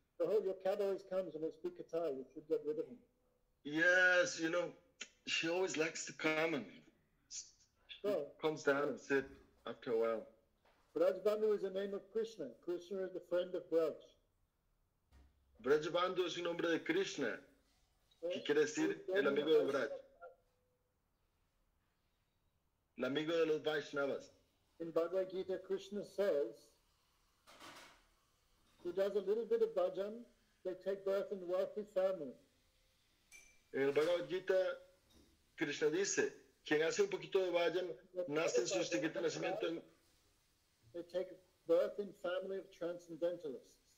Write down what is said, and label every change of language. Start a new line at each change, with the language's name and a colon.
English: Oh, your cat always comes and I speak Katai. You should get rid of him. Yes, you know, she always likes to come and comes down and sit after a while. Braj Bandhu is the name of Krishna. Krishna is the friend of Braj.
Spanish: Braj Bandhu es un nombre de Krishna. ¿Qué quiere decir el amigo de Braj? El amigo de los Vaishnavas.
English: In Bhagavad Gita, Krishna says, he does a little bit of bhajan, they take birth in wealthy family.
Spanish: En el Bhagavad Gita, Krishna dice, quien hace un poquito de bhajan, nace en su siguiente nacimiento.
English: They take birth in family of transcendentalists.